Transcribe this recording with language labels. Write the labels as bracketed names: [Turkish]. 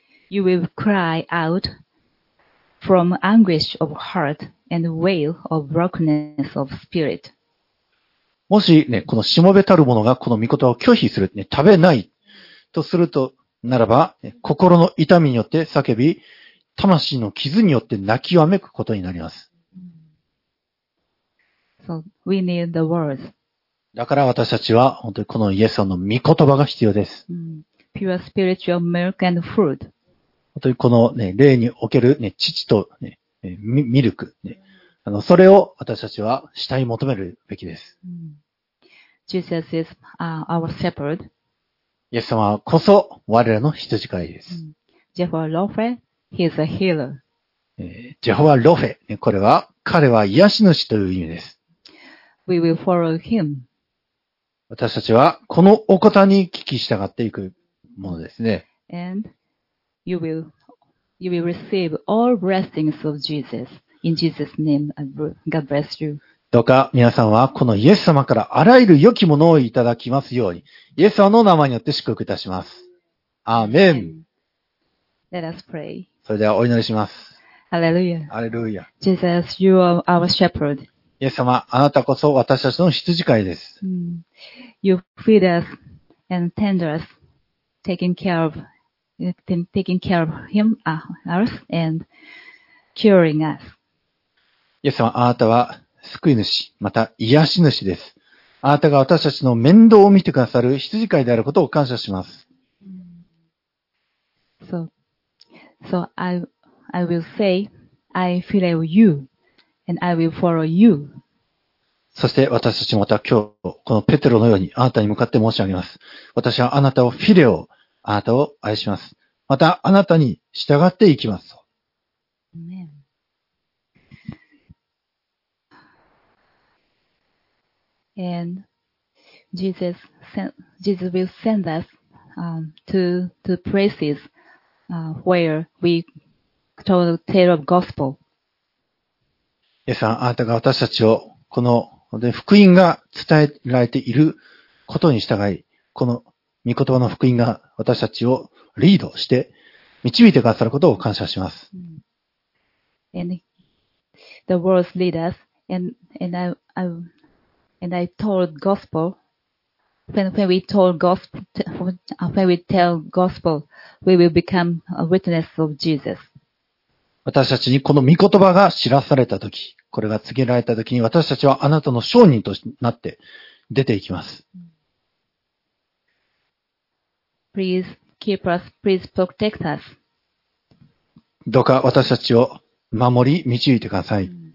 [English] You will cry out from anguish of heart and wail of brokenness of spirit. [Japanese] もしね、このしもべたる者がこの御言葉を拒否する、ね、食べないとすると、ならば、心の痛みによって叫び、魂の傷によって泣きわめくことになります。 [English] So, we need the words. [Japanese] だから私たちは、本当にこのイエス様の御言葉が必要です。 [English] Pure spiritual milk and food. [Japanese] 本当にこの、ね、霊における、ね、父と、ね、ミルク、ね、それを私たちは死体求めるべきです。 [English] Jesus is our shepherd. [Japanese] イエス様はこそ我らの羊飼いです。 [English] Jehovah Rophe, he is a healer. [Japanese] Jehovah Rophe, これは彼は癒し主という意味です。 [English] We will follow him. [Japanese] 私たちはこのお方に聞き従っていくものですね。 [English] And you will receive all blessings of Jesus. In Jesus' name, God bless you. [Japanese] どうか皆さんはこのイエス様からあらゆる良きものをいただきますように、イエス様の名前によって祝福いたします。アーメン。 [English] Let us pray. [Japanese] それではお祈りします。ハレルヤ。ハレルヤ。 [English] Jesus, you are our shepherd. [Japanese] イエス様、あなたこそ私たちの羊飼いです。 [English] You feed us and tend us, taking care of him, us, and curing us. [Japanese] イエス様、あなたは救い主、また癒し主です。あなたが私たちの面倒を見てくださる羊飼いであることを感謝します。 [English] So I will say, I follow you, and I will follow you. [Japanese] そして私たちまた今日、このペテロのようにあなたに向かって申し上げます。私はあなたをフィレオ、あなたを愛します。またあなたに従っていきます。 [English] And Jesus will send us to places where we told the tale of gospel. [Japanese] イエス様、あなたが私たちをこの福音が伝えられていることに従い、この御言葉の福音が私たちをリードして導いてくださることを感謝します。 [English] And the world lead us, and I told gospel, when we tell gospel, we will become a witness of Jesus. [Japanese] 私たちにこの御言葉が知らされたとき、これが告げられたときに、私たちはあなたの証人となって出ていきます。 [English] Please keep us, please protect us. [Japanese] どうか私たちを守り、導いてください。